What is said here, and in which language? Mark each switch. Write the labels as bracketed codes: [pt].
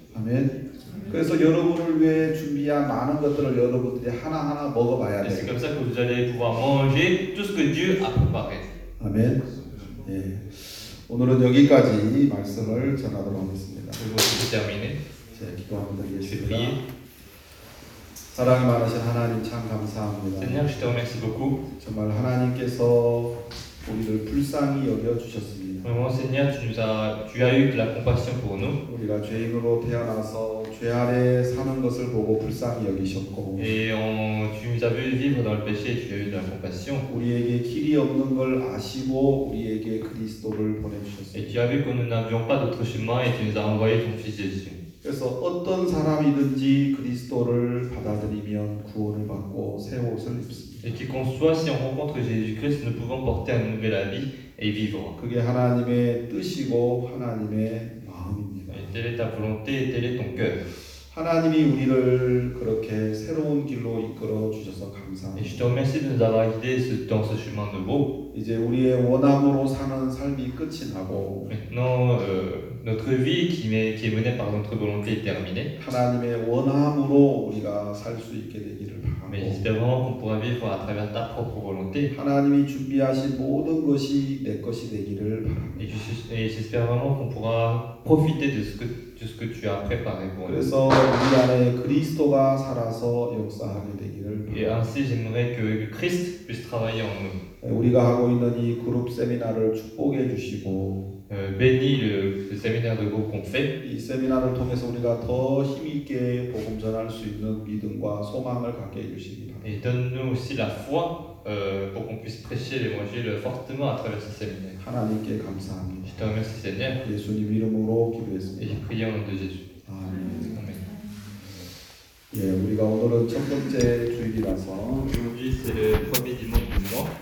[fr] Amen. [ko] 그래서 여러분을 위해 준비한 많은 것들을 여러분들이 하나하나 먹어봐야 돼. [fr] C'est comme ça que vous allez pouvoir manger tout ce que Dieu a préparé. [ko] Amen. 예. 오늘은 여기까지 말씀을 전하도록 하겠습니다. 그리고 때문에 제가 기도합니다. 예수님, 사랑이 많으신 하나님 참 감사합니다. [fr] Seigneur, je te remercie beaucoup. [ko] 정말 하나님께서 우리를 불쌍히 여겨 주셨습니다. [fr] Vraiment, Seigneur, tu as eu de la compassion pour nous. [ko] 우리가 죄인으로 태어나서 죄 아래 사는 것을 보고 불쌍히 여기셨고. [fr] Tu nous as vu vivre dans le péché, tu as eu de la compassion. [ko] 우리에게 길이 없는 걸 아시고 우리에게 그리스도를 보내주셨습니다. [fr] Et tu as vu que nous n'avions pas d'autre chemin et tu nous as envoyé ton fils Jésus. [ko] 그래서 어떤 사람이든지 그리스도를 받아들이면 구원을 받고 새 옷을 입습니다. [fr] Et quiconque soit si on rencontre Jésus-Christ, nous pouvons porter un nouvel habit et vivre. [ko] 그게 하나님의 뜻이고 하나님의 마음입니다. [fr] Et telle est ta volonté, tel est ton cœur. [ko] 하나님이 우리를 그렇게 새로운 길로 이끌어 주셔서 감사합니다. [fr] Je te remercie de nous avoir guidés dans ce chemin nouveau. [ko] 이제 우리의 원함으로 사는 삶이 끝이 나고 [fr] notre vie qui est menée par notre volonté est terminée. [ko] 하나님의 원함으로 우리가 살 수 있게 되기를 바랍니다. [fr] Mais espérons qu'on pourra vivre à travers ta propre volonté. [ko] 하나님이 준비하신 모든 것이 내 것이 되기를 바랍니다. [fr] Et j'espère vraiment qu'on pourra profiter de ce que tu as préparé pour nous. [ko] 그래서 우리 안에 그리스도가 살아서 역사하게 되기를 바랍니다. [fr] Et ainsi j'aimerais que Christ puisse travailler en nous. [ko] 우리가 하고 있는 이 그룹 세미나를 축복해 주시고 [fr] béni le séminaire de groupe qu'on fait. [ko] 이 세미나를 통해서 우리가 더 힘 있게 복음 전할 수 있는 믿음과 소망을 갖게 해 주시기 바랍니다. [fr] Et donne-nous aussi la foi pour qu'on puisse prêcher l'évangile fortement à travers ce séminaire. [ko] 하나님께 감사합니다. [fr] Je te remercie Seigneur. [ko] 예수님 이름으로 기도했습니다. [fr] Et je prie au nom de Jésus. [ko] 아멘. 예, 우리가 오늘은 첫 번째 주일이라서 [fr] Aujourd'hui c'est le premier dimanche du mois.